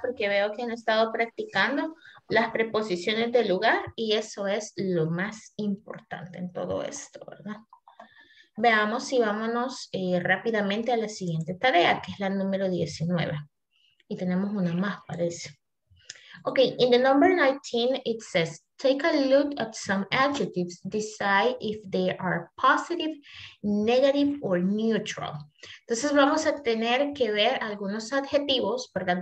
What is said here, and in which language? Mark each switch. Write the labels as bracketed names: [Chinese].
[Spanish] Porque veo que han estado practicando las preposiciones de lugar y eso es lo más importante en todo esto, ¿verdad? Veamos si vámonos rápidamente a la siguiente tarea, que es la número 19. Y tenemos una más, parece. [English] Ok, in the number 19 it says, take a look at some adjectives, decide if they are positive, negative, or neutral. [Spanish] Entonces vamos a tener que ver algunos adjetivos, ¿verdad?